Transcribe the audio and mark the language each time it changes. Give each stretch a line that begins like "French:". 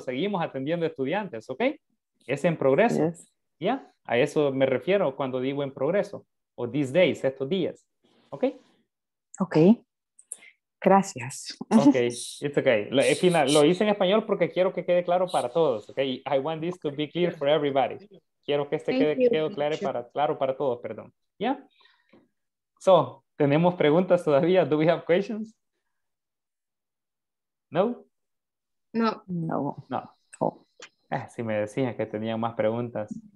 Spanish: Seguimos atendiendo estudiantes, ¿ok? Es en progreso. Yes. ¿Ya? A eso me refiero cuando digo en progreso. O these days, estos días. ¿Ok? Ok. Gracias.
English: Ok, it's okay.
Spanish: Lo hice en español porque quiero que quede claro para todos.
English: Ok, I want this to be clear for everybody.
Spanish: Quiero que este quede claro para todos, perdón.
English: ¿Ya? So,
Spanish: ¿tenemos preguntas todavía?
English: Do we have questions? No? No. No.
Spanish: No. Si me decían que tenían más preguntas.